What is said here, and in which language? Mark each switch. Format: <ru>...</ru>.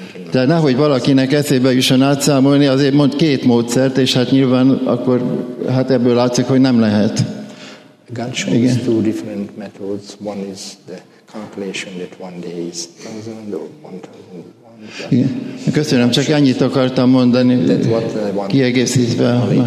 <hu>De nehogy valakinek eszébe jusson átszámolni, azért mond két módszert, és hát nyilván akkor hát ebből látszik, hogy nem lehet.</hu> <en>God shows</en> <hu>Igen.</hu> <en>Two different methods. One is the calculation that one day is 1000 or 1000.</en> <hu>Igen. Köszönöm, csak ennyit akartam mondani, kiegészítve.</hu>